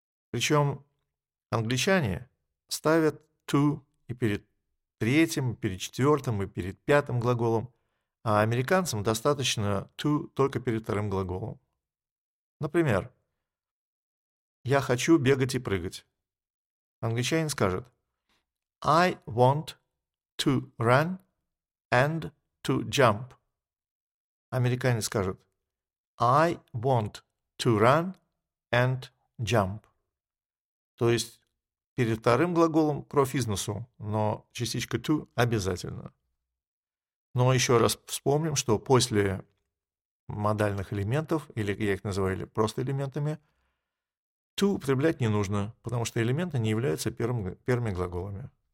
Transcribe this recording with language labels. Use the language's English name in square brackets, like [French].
[Russian] Причем англичане ставят to и перед третьим, и перед четвертым, и перед пятым глаголом, а американцам достаточно to только перед вторым глаголом. Например, я хочу бегать и прыгать. Англичанин скажет [English] «I want to run and to jump». [Russian] Американец скажет [English] «I want to run and jump». [Russian] То есть перед вторым глаголом кровь из носу, но частичка «to» обязательно. Но еще раз вспомним, что после модальных элементов, или я их называю или просто элементами, to употреблять не нужно, потому что элементы не являются первыми глаголами.